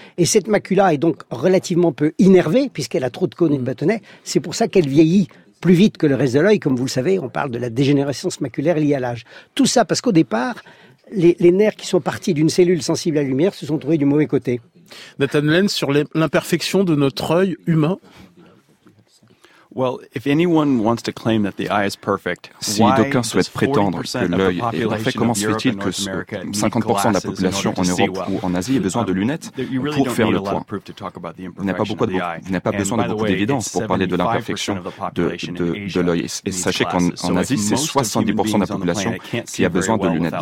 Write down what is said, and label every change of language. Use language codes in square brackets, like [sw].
[fr] Et cette macula est donc relativement peu innervée, puisqu'elle a trop de cônes et de bâtonnets. C'est pour ça qu'elle vieillit plus vite que le reste de l'œil. Comme vous le savez, on parle de la dégénérescence maculaire liée à l'âge. Tout ça parce qu'au départ, les nerfs qui sont partis d'une cellule sensible à la lumière se sont trouvés du mauvais côté. Nathan Lenz, sur l'imperfection de notre œil humain. [en] Well, if anyone wants to claim that the eye is perfect, [fr] si d'aucuns souhaitent prétendre que l'œil est parfait, comment se fait-il que 50% de la population en Europe ou en Asie ait besoin de lunettes pour faire le point? Vous n'avez pas besoin de beaucoup d'évidence pour parler de l'imperfection de l'œil. Et sachez qu'en Asie, c'est 70% de la population qui a besoin de lunettes.